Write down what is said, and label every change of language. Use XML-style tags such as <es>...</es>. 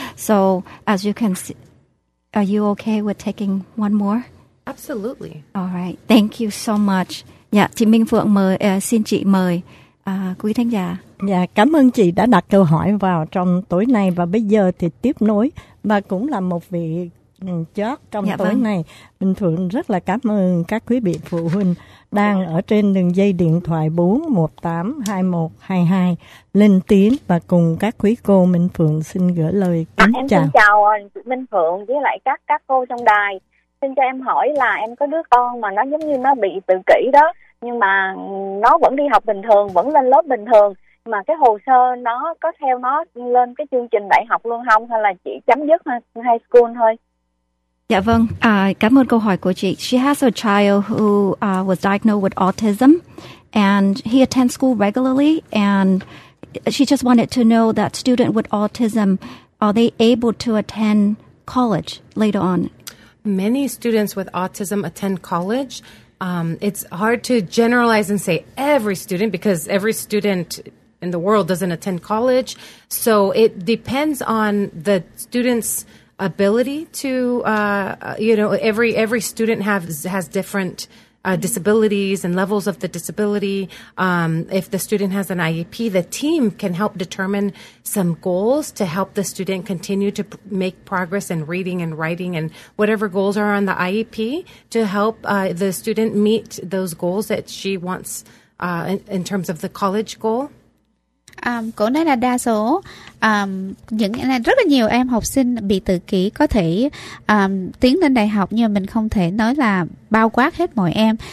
<en>So as you can see, are you okay with taking one more? Absolutely. All right. Thank you so much.</en> <vi>Dạ, chị Minh Phượng mời, xin chị mời quý thính giả. Dạ, cảm ơn chị đã đặt câu hỏi vào trong tối nay, và bây giờ thì tiếp nối, và cũng là một vị chót trong tối nay. Minh Phượng rất là cảm ơn các quý vị phụ huynh đang ở trên đường dây điện thoại 4182122 lên tiếng, và cùng các quý cô Minh Phượng xin gửi lời kính chào. Em xin chào Minh Phượng với lại các cô trong đài. Xin cho em hỏi là em có đứa con mà nó giống như nó bị tự kỷ đó, nhưng mà nó vẫn đi học bình thường, vẫn lên lớp bình thường, mà cái hồ sơ nó có theo nó lên cái chương trình đại học luôn không, hay là chỉ chấm dứt high school thôi? Yeah, vâng. Cảm ơn câu hỏi của chị.</vi> <en>She has a child who was diagnosed with autism, and he attends school regularly, and she just wanted to know that student with autism, are they able to attend college later on? Many students with autism attend college. It's hard to generalize and say every student, because every student in the world doesn't attend college. So it depends on the student's ability to, every student has different disabilities and levels of the disability. If the student has an IEP, the team can help determine some goals to help the student continue to make progress in reading and writing and whatever goals are on the IEP to help the student meet those goals that she wants in terms of the college goal.</en> <vi>Cổ nói là đa số những rất là nhiều em học sinh bị tự kỷ có thể tiến lên đại học, nhưng mà mình không thể nói là bao quát hết mọi em.</vi>